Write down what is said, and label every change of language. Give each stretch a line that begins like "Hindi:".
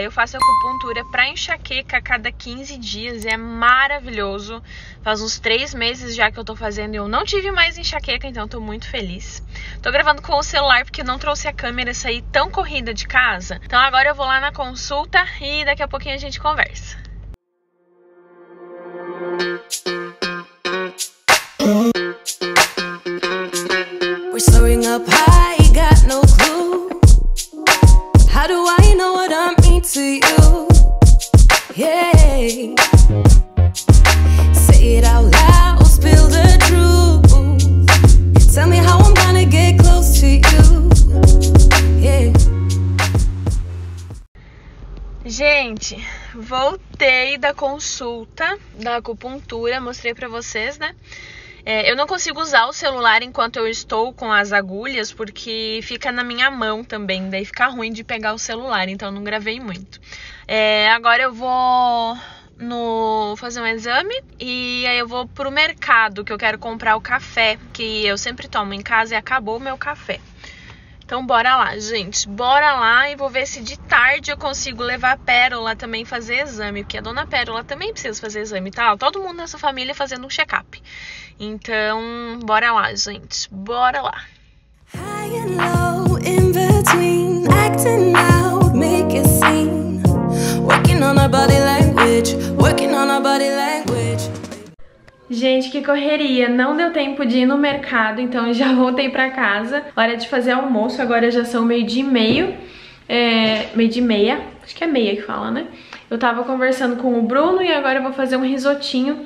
Portuguese: Eu faço acupuntura pra enxaqueca a cada 15 dias e é maravilhoso. Faz uns 3 meses já que eu tô fazendo e eu não tive mais enxaqueca, então tô muito feliz. Tô gravando com o celular porque não trouxe a câmera, saí tão corrida de casa. Então agora eu vou lá na consulta e daqui a pouquinho a gente conversa.
English: We're soaring up high, got no clue. How do I know what I mean to you? Yeah, say it out loud, spill the truth. Tell me how I'm gonna get close to you. Yeah,
Portuguese: gente. Voltei da consulta da acupuntura, mostrei pra vocês, né? Eu não consigo usar o celular enquanto eu estou com as agulhas, porque fica na minha mão também, daí fica ruim de pegar o celular, então não gravei muito. Agora eu vou fazer um exame e aí eu vou pro mercado, que eu quero comprar o café, que eu sempre tomo em casa e acabou o meu café. Então bora lá, gente, bora lá e vou ver se de tarde eu consigo levar a Pérola também fazer exame, porque a dona Pérola também precisa fazer exame, tá? Todo mundo nessa família fazendo um check-up. Então, bora lá, gente, bora lá.
English: High and low, in between, acting out, make a scene, working on our body language, working on our body language.
Portuguese: Gente, que correria, não deu tempo de ir no mercado, então eu já voltei pra casa. Hora de fazer almoço, agora já são meio de meia, acho que é meia que fala, né? Eu tava conversando com o Bruno e agora eu vou fazer um risotinho.